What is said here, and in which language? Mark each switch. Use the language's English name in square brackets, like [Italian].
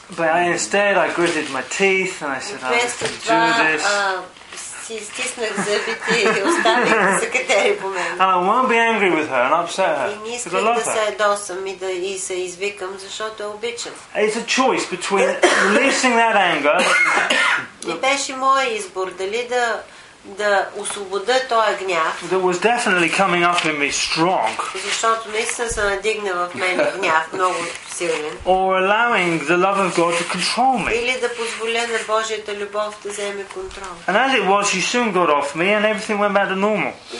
[English] But instead I gritted my teeth and I said, I'm just going to do this. [Bulgarian] Си стиснах зъбите и оставих да се катери по мен. [English] And I won't be angry with her and upset her. [Bulgarian] И не исках да се ядосам и да и се извикам, защото я обичам. [English] It's a choice between releasing that anger. [Bulgarian] И беше мой избор, дали да освободя този гняв. [English] That was definitely coming up in me strong. [Bulgarian] Защото наистина се надигна в мен гняв, много силен. [English] Or allowing the love of God to control me. [Bulgarian] Или да позволя на Божията любов да вземе контрол. [English] And as it was, she soon got off me and everything went back to normal.